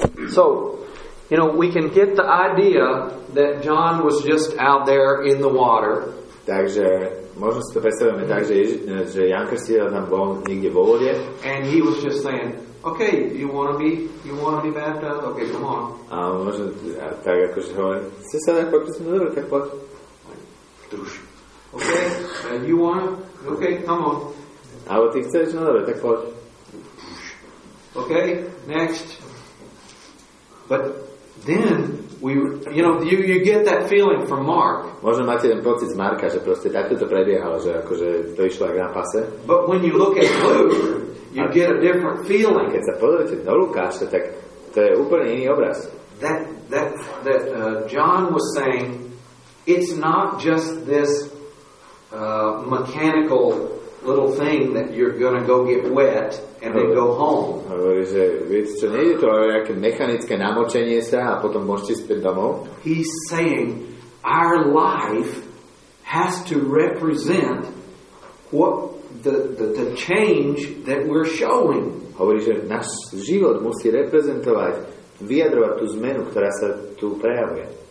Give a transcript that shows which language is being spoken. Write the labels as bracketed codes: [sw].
[en] So, you know, we can get the idea that John was just out there in the water. [sk] Takže možno si to predstavujeme tak, že Ján Krstiteľ tam bol niekde vo vode. [en] And he was just saying, okay, you want to be baptized? Okay, come on. [sk] A možno tak akože hovorí, chce sa tak pokrstiť? No dobre, tak poď. [en] Druž. Okay, you want to? Okay, come on. [sk] Alebo ty chceš? No dobre, tak poď. [en] Okay, next. But then we, you know, you get that feeling from Mark. [sk] Možno máte ten pocit z Marka, že proste takto to prebiehalo, že akože to išlo ako na pase. [en] But when you look at Luke, you get a different feeling. [sk] Keď sa pozrite do Lukáša, tak to je úplne iný obraz. [en] That John was saying, it's not just this mechanical little thing that you're going to go get wet and then go home. [sk] Hovorí, že viete čo, nie je to nejaké mechanické namočenie sa a potom môžete späť domov. [en] He's saying our life has to represent what the change that we're showing. [sk] Hovorí, že náš život musí reprezentovať, vyjadrovať tú zmenu, ktorá sa tu prejavuje.